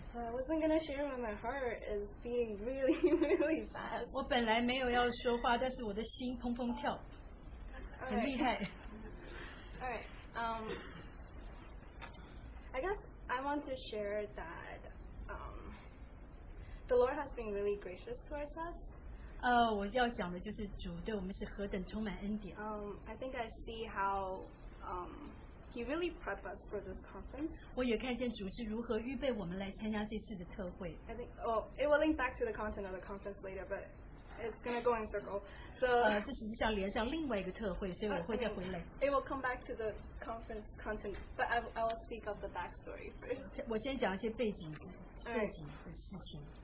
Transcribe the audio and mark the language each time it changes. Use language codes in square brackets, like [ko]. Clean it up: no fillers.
[en] I wasn't gonna share, but my heart is beating really, really fast. [zh] 我本来没有要说话，但是我的心砰砰跳，很厉害。 [en] Alright, I guess I want to share that the Lord has been really gracious towards us. [zh] 我要讲的就是主对我们是何等充满恩典。 [en] I think I see how He really prepped us for this conference. [zh] 我也看见主是如何预备我们来参加这次的特会。 [en] I think, well, it will link back to the content of the conference later, but it's gonna go in circle. So [zh] 这只是想连上另外一个特会，所以我会再回来。 [en] It will come back to the conference content, but I will speak of the backstory first. [zh] 我先讲一些背景的事情。